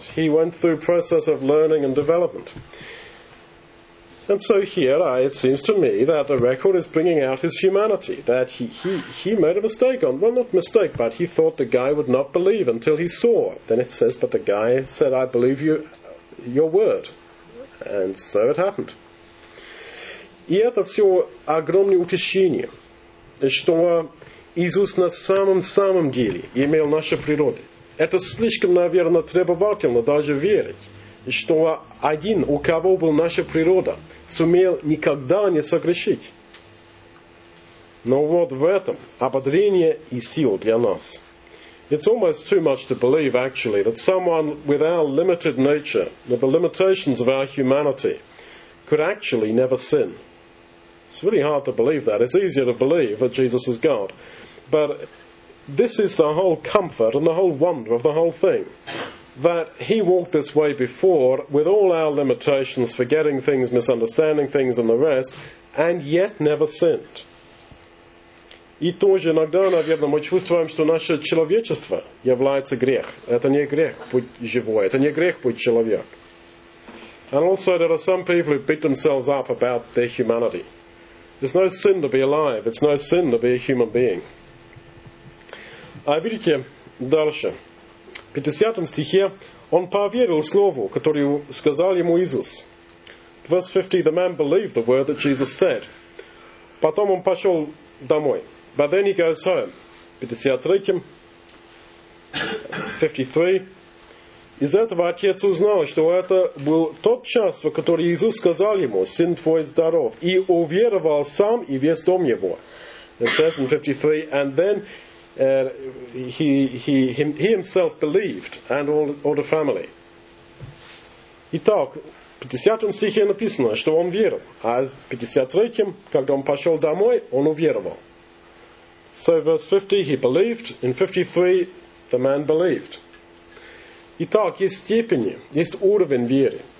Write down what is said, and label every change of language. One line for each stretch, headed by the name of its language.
English: He went through a process of learning and development. And so here, it seems to me that the record is bringing out his humanity, that he made a mistake on, well, not mistake, but he thought the guy would not believe until he saw. Then it says, but the guy said, I believe you, your word. And so it happened.
Russian: И это все огромное утешение, что Иисус на самом-самом деле имел нашу природу. Это слишком, наверное, требовательно даже верить. Что один, у кого была наша природа, сумел никогда не согрешить. Но вот в этом ободрение и сила для нас.
English: It's almost too much to believe, actually, that someone with our limited nature, with the limitations of our humanity, could actually never sin. It's really hard to believe that. It's easier to believe that Jesus is God. But this is the whole comfort and the whole wonder of the whole thing. That he walked this way before with all our limitations, forgetting things, misunderstanding things and the rest, and yet never sinned.
Russian: И тоже иногда, наверное, мы чувствуем, что наше человечество является грех. Это не грех быть живой, это не грех быть человек.
English: And also there are some people who beat themselves up about their humanity. It's no sin to be alive, it's no sin to be a human being.
Russian: А видите, дальше. В 50 стихе он поверил слову, которое сказал ему Иисус.
English: Verse 50, the man believed the word that Jesus said.
Russian: Потом он пошел домой.
English: But then he goes home.
Russian: 53. Из этого отец узнал, что это был тот час, в который Иисус сказал ему, «Сын твой здоров», и уверовал сам и весь дом его.
English: It says in 53, and then he himself believed, and all the family.
Russian: Итак, в 50 стихе написано, что он верил. А в 53, когда он пошел домой, он уверовал.
English: So verse 50, he believed. In 53, the man believed.
Russian: Итак, есть степени, есть уровень веры.